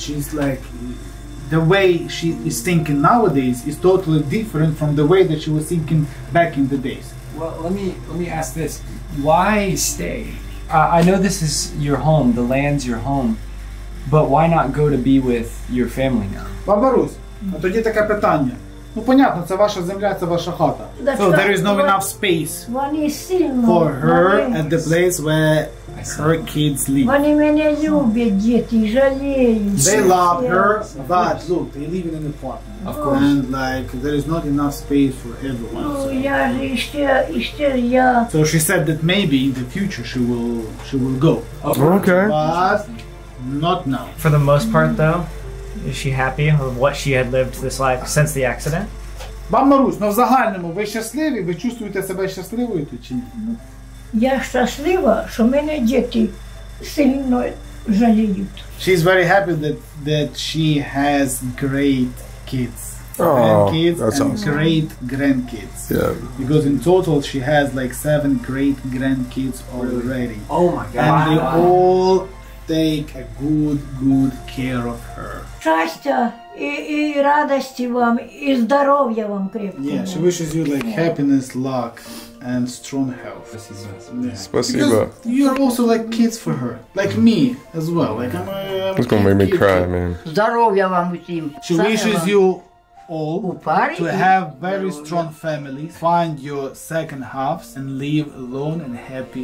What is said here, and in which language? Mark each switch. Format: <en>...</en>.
<en>She's like, the way she is thinking nowadays is totally different from the way that she was thinking back in the days. Well, let me ask this. Why stay? I know this is your home, the land's your home, but why not go to be with your family now?</en> <uk>Баба Русь, а тоді таке питання. Ну, понятно, це ваша земля, це ваша хата.</uk> <en>So there is not enough space for her at the place where her kids live.</en> <uk>Вони мене люблять, діти, жаліють.</uk> <en>They love her, but look, they live in an apartment. Of course. And like, there is not enough space for everyone.</en> <uk>Ну, я же іще я.</uk> <en>So she said that maybe in the future she will go. Okay. But not now. For the most part, though. Is she happy with what she had lived this life since the accident?</en> <uk>Баба Русь, ну в загальному, ви щасливі? Ви чувствуєте себе щасливою тут чи ні? Я щаслива, що мене діти сильно жаліють.</uk> <en>She's very happy that she has great kids. Grandkids and great grandkids. Yeah. Because in total she has like 7 great grandkids already. Oh my God. And they all take a good care of her.</en> <uk>Щастя і радості вам, і здоров'я вам крепкого.</uk> <en>Yeah, she wishes you like happiness, luck, and strong health.</en> <ru>Спасибо.</ru> <en>Yeah. Because you're also like kids for her. Like me, as well. Like I'm it's gonna make me cry, man.</en> <uk>Здоров'я вам усім.</uk> <en>She wishes you all to have very strong families, find your second halves, and live alone and happy</en>